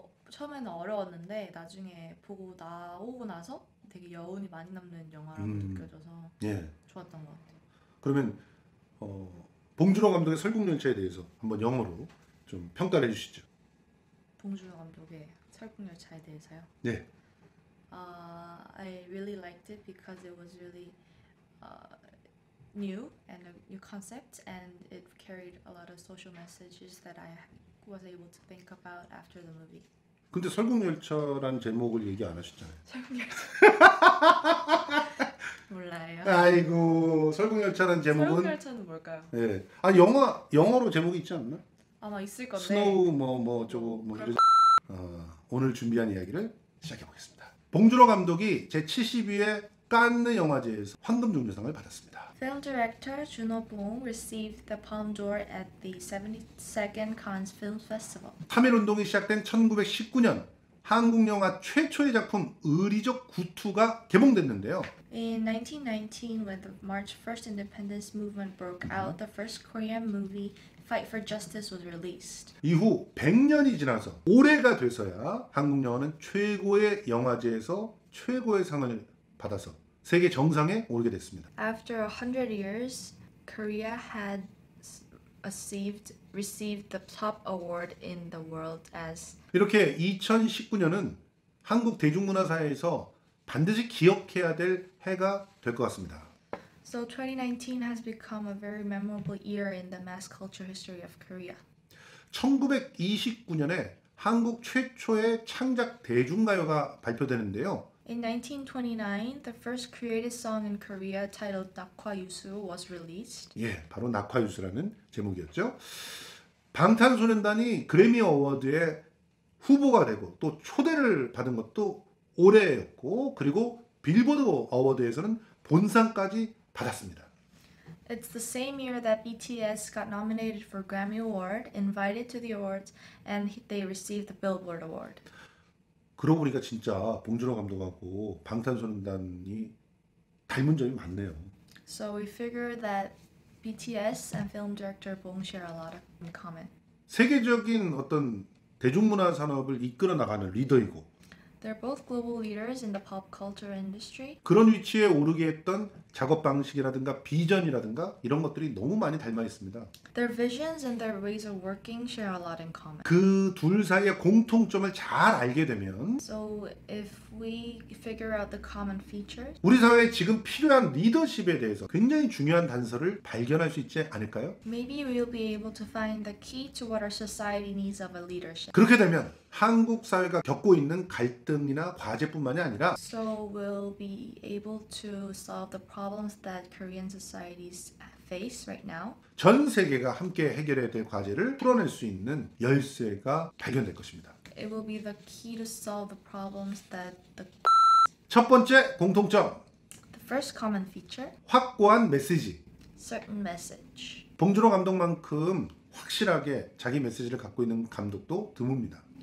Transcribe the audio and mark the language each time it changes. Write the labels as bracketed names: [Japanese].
[Korean] 처음에는 어려웠는데 나중에 보고 나오고 나서 되게 여운이 많이 남는 영화라고 느껴져서 예. 좋았던 것 같아요. 그러면 봉준호 감독의 설국열차에 대해서 한번 영어로 좀 평가를 해주시죠. 봉준호 감독의 설국열차에 대해서요. [English] Yeah. I really liked it because it was really new and a new concept, and it carried a lot of social messages that I was able to think about after the movie. [Korean] 근데 설국열차라는 제목을 얘기 안 하셨잖아요. 설국열차. 몰라요. 아이고, 설국열차라는 제목은 설국열차는 뭘까요? 예. 아, 영어로 제목이 있지 않나? 아마 있을 건데. 스노우 뭐뭐 저거 뭐 그럴 이래. 오늘 준비한 이야기를 시작해 보겠습니다. 봉준호 감독이 제72회 깐느 영화제에서 황금종려상을 받았습니다. [English] Film director Junho Bong received the Palme d'Or at the 72nd Cannes Film Festival. [Korean] 3.1운동이 시작된 1919년, 한국 영화 최초의 작품 '의리적 구투'가 개봉됐는데요. [English] In 1919, when the March 1st Independence Movement broke out, the first Korean movie, Fight for Justice, was released. [Korean] 이후 100년이 지나서 올해가 돼서야 한국 영화는 최고의 영화제에서 최고의 상을 받아서 세계 정상에 오르게 됐습니다. [English] After 100 years, Korea had received the top award in the world as [Korean] 이렇게 2019년은 한국 대중문화사에서 반드시 기억해야 될 해가 될것 같습니다. [English] So 2019 has become a very memorable year in the mass culture history of Korea. [Korean] 1929년에 한국 최초의 창작 대중가요가 발표되는데요. [English] In 1929, the first created song in Korea titled 낙화유수 was released. [Korean] 예, 바로 낙화유수라는 제목이었죠. 방탄소년단이 그래미 어워드에 후보가 되고 또 초대를 받은 것도 올해였고, 그리고 빌보드 어워드에서는 본상까지 받았습니다. [English] It's the same year that BTS got nominated for Grammy Award, invited to the awards, and they received the Billboard Award. [Korean] 그러고 보니까 진짜 봉준호 감독하고 방탄소년단이 닮은 점이 많네요. [English] So we figure that BTS and film director Bong share a lot in common. [Korean] 세계적인 어떤 대중문화 산업을 이끌어 나가는 리더이고, [English] They're both global leaders in the pop culture industry. [Korean] 그런 위치에 오르게 했던 작업 방식이라든가 비전이라든가 이런 것들이 너무 많이 닮아 있습니다. [English] Their visions and their ways of working share a lot in common. [Korean] 그둘 사이의 공통점을 잘 알게 되면 [English] So if we figure out the common features, [Korean] 우리 사회에 지금 필요한 리더십에 대해서 굉장히 중요한 단서를 발견할 수 있지 않을까요? [English] maybe we'll be able to find the key to what our society needs of a leadership. [Korean] 그렇게 되면 한국 사회가 겪고 있는 갈등이나 과제뿐만이 아니라 [English] So we'll be able to solve the problems that Korean societies face right now. [Korean] 전 세계가 함께 해결해야 될 과제를 풀어낼 수 있는 열쇠가 발견될 것입니다. [English] It will be the key to solve the problems that the [Korean] 첫 번째 공통점. [English] The first common feature. [Korean] 확고한 메시지. [English] Certain message. [Korean] 봉준호 감독만큼 확실하게 자기 메시지를 갖고 있는 감독도 드뭅니다.